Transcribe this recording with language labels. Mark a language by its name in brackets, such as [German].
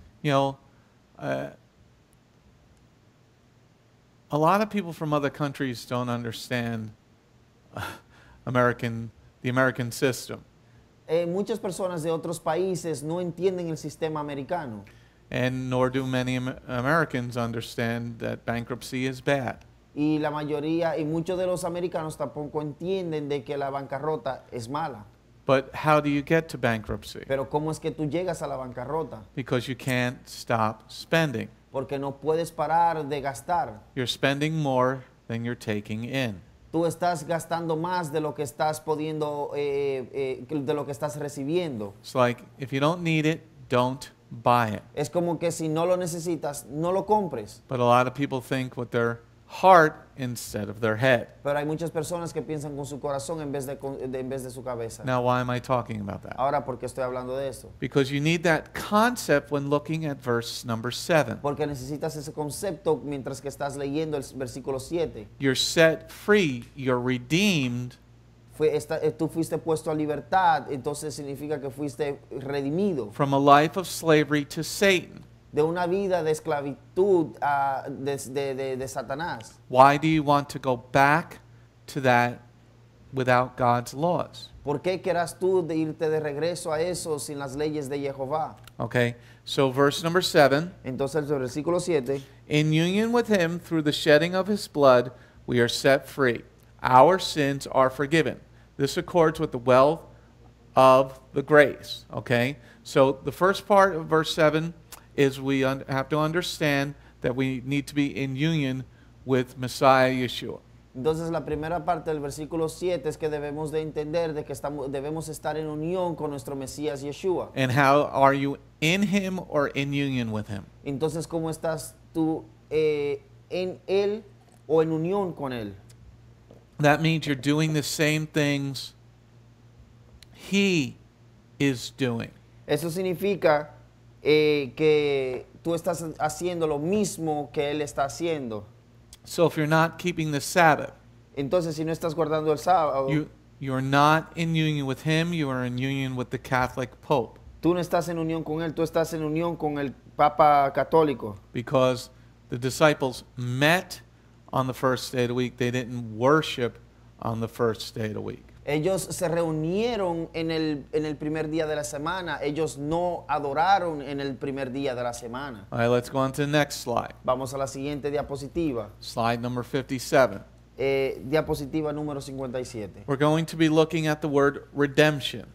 [English] You know, a lot of people from other countries don't understand the American system. [Spanish] Muchas personas de otros países no entienden el sistema americano. [English] And nor do many Americans understand that bankruptcy is bad. [Spanish] Y la mayoría y muchos de los americanos tampoco entienden de que la bancarrota es mala. [English] But how do you get to bankruptcy? [Spanish] Pero ¿cómo es que tú llegas a la bancarrota? [English] Because you can't stop spending. [Spanish] Porque no puedes parar de gastar. [English] You're spending more than you're taking in. [Spanish] Tú estás gastando más de lo que estás pudiendo, de lo que estás recibiendo. [English] It's like, if you don't need it, don't buy it. [Spanish] Es como que si no lo necesitas, no lo compres. [English] But a lot of people think with their heart instead of their head. [Spanish] Pero hay muchas personas que piensan con su corazón en vez de su cabeza. [English] Now, why am I talking about that? [Spanish] Ahora, ¿por qué estoy hablando de eso? [English] Because you need that concept when looking at verse number 7. [Spanish] Porque necesitas ese concepto mientras que estás leyendo el versículo 7. [English] You're set free, you're redeemed. [Spanish] Tú fuiste puesto a libertad, entonces significa que fuiste redimido. [English] From a life of slavery to Satan. [Spanish] De una vida de esclavitud de Satanás. [English] Why do you want to go back to that without God's laws? [Spanish] ¿Por qué querrás tú de irte de regreso a eso sin las leyes de Jehová? [English] Okay, so verse number 7. [Spanish] Entonces el versículo 7. [English] In union with him through the shedding of his blood, we are set free. Our sins are forgiven. This accords with the wealth of the grace. Okay, so the first part of verse 7 is we have to understand that we need to be in union with Messiah Yeshua. [Spanish] Entonces la primera parte del versículo 7 es que debemos de entender de que estamos, debemos estar en unión con nuestro Mesías Yeshua. [English] And how are you in him or in union with him? [Spanish] Entonces, ¿cómo estás tú en él o en unión con él? [English] That means you're doing the same things he is doing. [Spanish] Eso significa que tú estás haciendo lo mismo que él está haciendo. [English] So if you're not keeping the Sabbath, [Spanish] entonces, si no estás guardando el sábado, [English] you're not in union with him, you are in union with the Catholic Pope. [Spanish] Tú no estás en unión con él, tú estás en unión con el Papa Católico. [English] Because the disciples met on the first day of the week, they didn't worship on the first day of the week. [Spanish] Ellos se reunieron en el primer día de la semana. Ellos no adoraron en el primer día de la semana. [English] All right, let's go on to the next slide. [Spanish] Vamos a la siguiente diapositiva. [English] Slide number 57. [Spanish] Diapositiva número 57. [English] We're going to be looking at the word redemption.